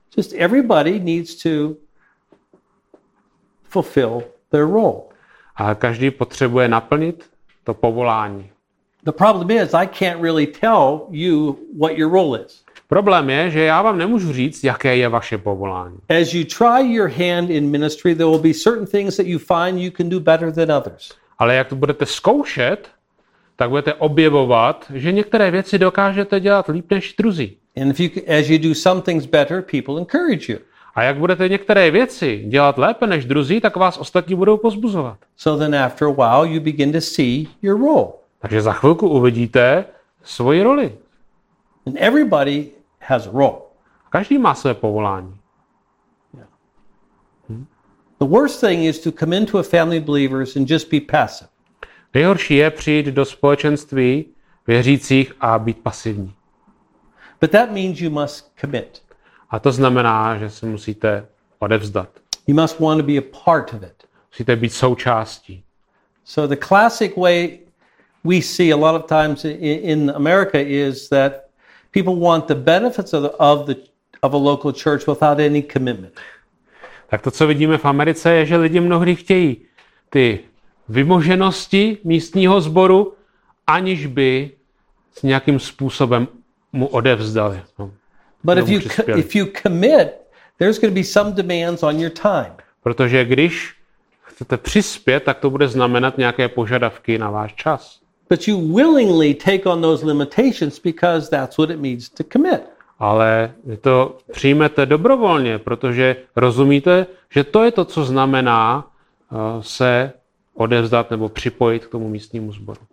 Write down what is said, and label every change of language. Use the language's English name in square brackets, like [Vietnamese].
[English] Just everybody needs to fulfill their role. [Czech] A každý potřebuje naplnit to povolání. [English] The problem is I can't really tell you what your role is. [Czech] Problém je, že já vám nemůžu říct, jaké je vaše povolání. [English] As you try your hand in ministry, there will be certain things that you find you can do better than others. [Czech] Ale jak to budete zkoušet, tak budete objevovat, že některé věci dokážete dělat líp než druzí. [English] And as you do some things better, people encourage you. [Czech] A jak budete některé věci dělat lépe než druzí, tak vás ostatní budou pozbuzovat. [English] So then after a while you begin to see your role. [Czech] Takže za chvilku uvidíte svoji roli. [English] And everybody has a role. [Czech] Každý má své povolání. [English] Yeah. The worst thing is to come into a family of believers and just be passive. [Czech] Nejhorší je přijít do společenství věřících a být pasivní. [English] But that means you must commit. [Czech] A to znamená, že se musíte odevzdat. [English] You must want to be a part of it. [Czech] Musíte být součástí. [English] So the classic way we see a lot of times in America is that people want the benefits of a local church without any commitment. [Czech] Tak to, co vidíme v Americe, je, že lidi mnohdy chtějí ty vymoženosti místního sboru, aniž by s nějakým způsobem mu odevzdali. [English] But if you commit, there's going to be some demands on your time. [Czech] Protože když chcete přispět, tak to bude znamenat nějaké požadavky na váš čas. [English] But you willingly take on those limitations because that's what it means to commit. [Czech] Ale vy to přijmete dobrovolně, protože rozumíte, že to je to, co znamená se odevzdat nebo připojit k tomu místnímu sboru.